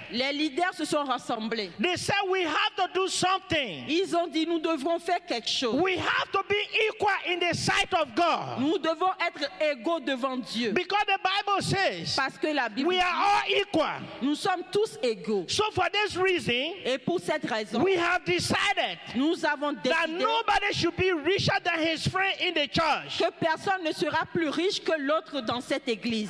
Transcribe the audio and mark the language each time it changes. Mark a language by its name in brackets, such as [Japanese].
[French] Les leaders se sont rassemblés. [English] They said we have to do something. [French] Ils ont dit nous devons faire quelque chose. [English] We have to be equal in the sight of God. [French] Nous devons être égaux devant Dieu. [English] Because the Bible says. [French] Parce que la Bible [English] we [French] dit, [English] are all equal. [French] Nous sommes tous égaux. [English] So for this reason. [French] Et pour cette raison. [English] We have decided. [French] Nous avons décidé. [English] That nobody should be richer than his friend in the church. [French] Que personne ne sera plus riche que l'autre dans cette église.